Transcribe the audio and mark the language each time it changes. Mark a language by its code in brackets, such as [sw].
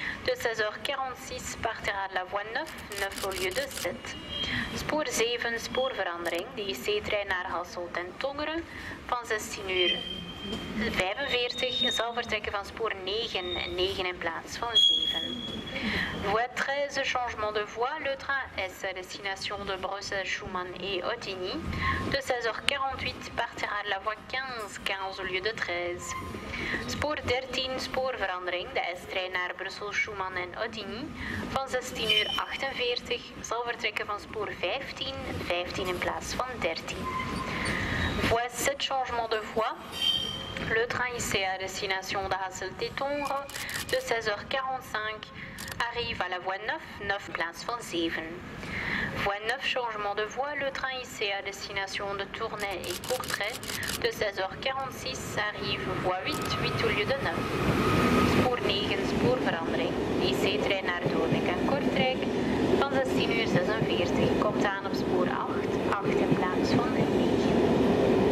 [fr] De 16h46 partira de la voie 9, 9 au lieu de 7. [nl] Spoor 7, spoorverandering, de IC-trein naar Hasselt en Tongeren. Van 16:45 zal vertrekken van spoor 9, 9 in plaats van 7. [fr] Voie 13, changement de voie. Le train S, destination de Bruxelles, Schumann et Ottigny. De 16h48 partira de la voie 15, 15 au lieu de 13. [nl] Spoor 13, spoorverandering. De S-trein naar Brussel, Schumann en Ottigny. Van 16:48 zal vertrekken van spoor 15, 15 in plaats van 13. [fr] Voie 7, changement de voie. Le train IC à destination de Hasselt-Étongre de 16h45 arrive à la voie 9, 9 place van 7. Voie 9, changement de voie. Le train IC à destination de Tournai et Courtrai de 16h46 arrive voie 8, 8 au lieu de 9. [nl] Spoor 9, spoorverandering. IC-trein naar Doornik en Kortrijk van 16:46 komt aan op spoor 8, 8 in plaats van 9.